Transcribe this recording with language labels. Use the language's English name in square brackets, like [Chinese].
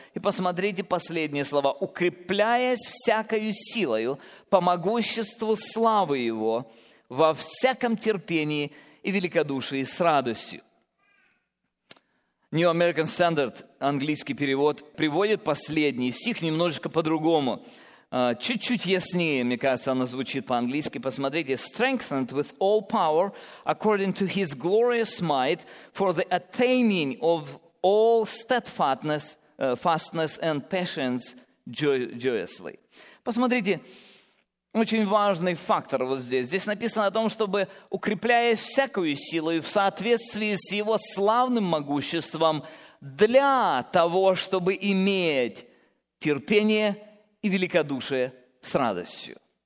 [Russian] И посмотрите последние слова. «Укрепляясь всякою силою по могуществу славы Его во всяком терпении и великодушии с радостью». New American Standard, английский перевод, приводит последний стих немножечко по-другому. Чуть-чуть яснее, мне кажется, оно звучит по-английски. Посмотрите. [English] «Strengthened with all power, according to His glorious might, for the attaining of all steadfastness, fastness and patience joyously». [Russian] Посмотрите, очень важный фактор вот здесь. Здесь написано о том, чтобы, укрепляясь всякую силу и в соответствии с Его славным могуществом, для того, чтобы иметь терпение и великодушие с радостью.